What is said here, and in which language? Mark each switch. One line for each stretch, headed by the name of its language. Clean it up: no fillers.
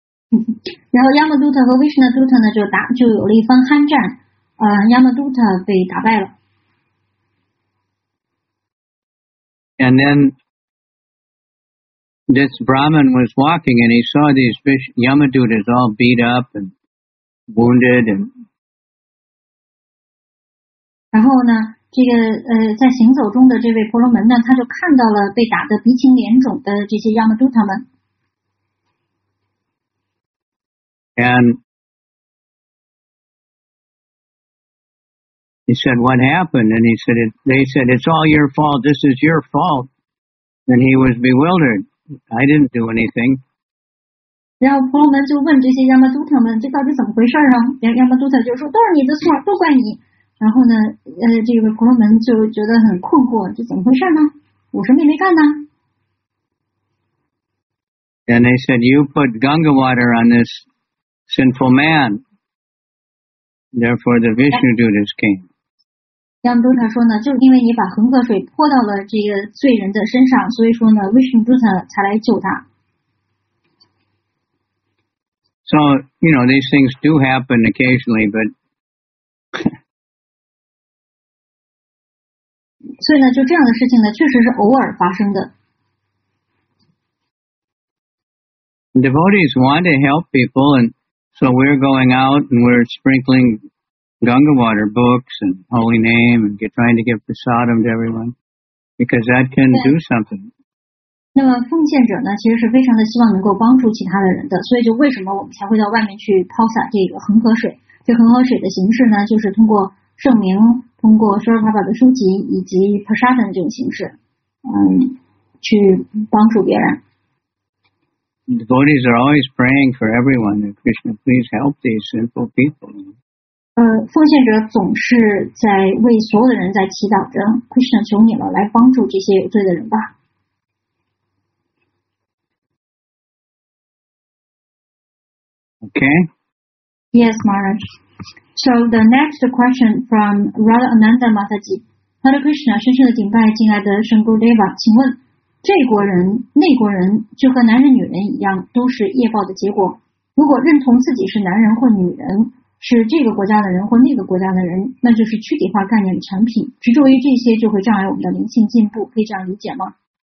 Chinese: 然后 Yamaduta 和 Vishnuduta 呢就有了一番酣战。 Yamaduta 被打败了。
English: And then this Brahmin was walking and he saw these fish, Yamadutas all beat up and wounded. And
Chinese: 然后呢这个在行走中的这位婆罗门呢他就看到了被打得鼻青脸肿的这些 Yamaduta 们。
English: And he said, "What happened?" And he said, "They said it's all your fault. This is your fault." And he was bewildered. I didn't do anything.
Chinese: 然后婆罗门就问这些 Yamaduta 们，这到底怎么回事啊？然后 Yamaduta 就说，都是你的错，都怪你。然后呢，这个婆罗门就觉得很困惑，这怎么回事呢？我什么也没干呢。
English: And they said, "You put Ganga water on this sinful man." Therefore, the Vishnudutas came.
Chinese: 杨都塔说呢，就是因为你把恒河水泼到了这个罪人的身上，所以说呢 ，Vishnuduta 才来救他。
English: So you know these things do happen occasionally, but
Chinese: 所以呢，就这样的事情呢，确实是偶尔发生的。
English: Devotees want to help people and. So we're going out and we're sprinkling Ganga water books and holy name and trying to give prasadam to everyone because that can do something.
Chinese: 那么奉献者呢，其实是非常的希望能够帮助其他的人的，所以就为什么我们才会到外面去抛洒这个恒河水？这恒河水的形式呢，就是通过圣名、通过舍尔帕巴的书籍以及 prasadam 这种形式，去帮助别人。
English: Devotees are always praying for everyone. And Krishna, please help these sinful people.
Chinese: 奉献者总是在为所有的人在祈祷着。 Krishna, 求你了，来帮助这些有罪的人吧。
English: Okay. Yes, Maharaj. So the next question from Radha Ananda Mataji.
Chinese: Hare Krishna, 深深的敬拜，敬爱的圣姑 Deva， 请问。这国人、那国人就和男人、女人一样，都是业报的结果。如果认同自己是男人或女人，是这个国家的人或那个国家的人，那就是躯体化概念的产品。执着于这些就会障碍我们的灵性进步，可以这样理解吗？